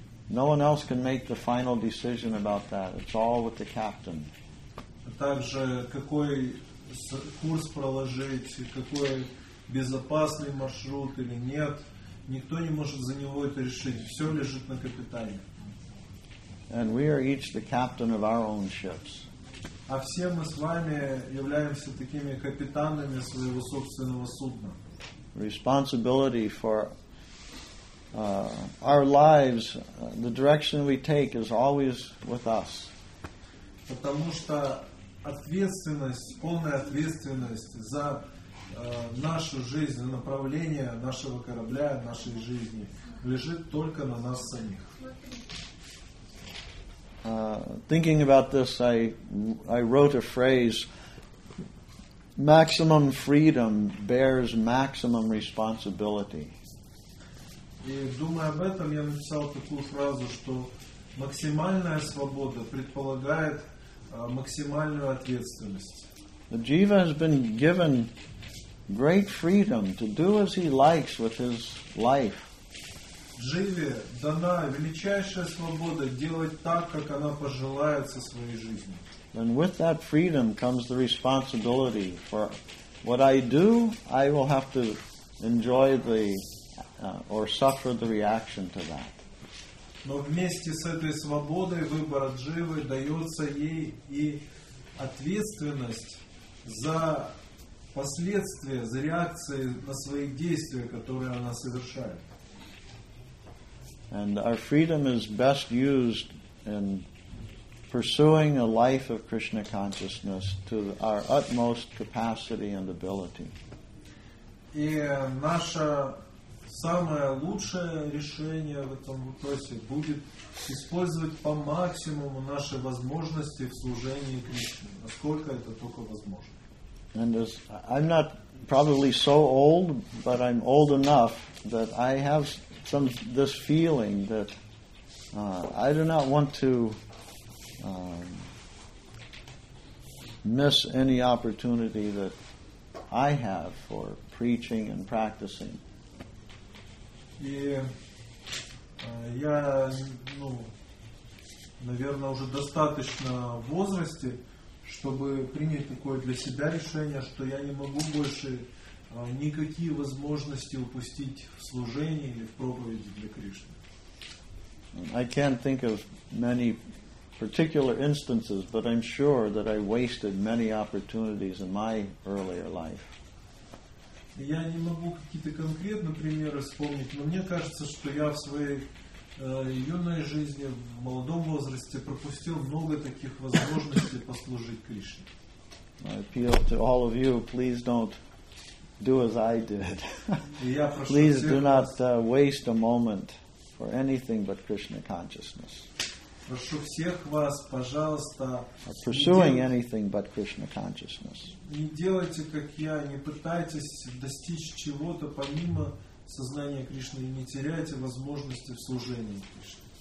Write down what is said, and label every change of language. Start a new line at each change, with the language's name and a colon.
English: No one else can make the final decision about that. It's all with the captain.
Russian: Также какой курс проложить, какой безопасный маршрут или нет, никто не может за него это решить. Все лежит на капитане.
English: And we are each the captain of our own ships.
Russian: А все мы с вами являемся такими капитанами своего собственного судна.
English: Responsibility for our lives, the direction we take is always with us.
Russian: Потому что ответственность, полная ответственность за нашу жизнь, направление нашего корабля, нашей жизни, лежит только на нас самих.
English: Thinking about this, I wrote a phrase: maximum freedom bears maximum responsibility.
Russian: И думая об этом, я написал такую фразу, что максимальная свобода предполагает максимальную ответственность.
English: Jiva has been given great freedom to do as he likes with his life.
Russian: Jiva дана величайшая свобода делать так, как она пожелает со своей жизнью.
English: And with that freedom comes the responsibility for what I do, I will have to enjoy or suffer the reaction to that.
Russian: Но вместе с этой свободой выбора Дживы дается ей и ответственность за последствия, за реакции на свои действия, которые она совершает.
English: And our freedom is best used in pursuing a life of Krishna consciousness to our utmost capacity and ability.
Russian: И наша самое лучшее решение в этом вопросе будет использовать по максимуму наши возможности в служении Кришне, насколько это только возможно.
English: And as I'm not probably so old, but I'm old enough that I have some this feeling that I do not want to miss any opportunity that I have for preaching and practicing.
Russian: И я, ну, наверное, уже достаточно в возрасте, чтобы принять такое для себя решение, что я не могу больше никакие возможности упустить в служении или в проповеди для Кришны.
English: I can't think of many particular instances, but I'm sure that I wasted many opportunities in my earlier life.
Russian: Я не могу какие-то конкретные примеры вспомнить, но мне кажется, что я в своей юной жизни, в молодом возрасте пропустил много таких возможностей послужить Кришне.
English: I appeal to all of you, please don't do as I did. Please do not waste a moment for anything but Krishna consciousness.
Russian: Прошу всех вас, пожалуйста,
English: pursuing anything but Krishna consciousness.
Russian: Не делайте, как я, не пытайтесь достичь чего-то помимо сознания Кришны и не теряйте возможности в служении Кришне.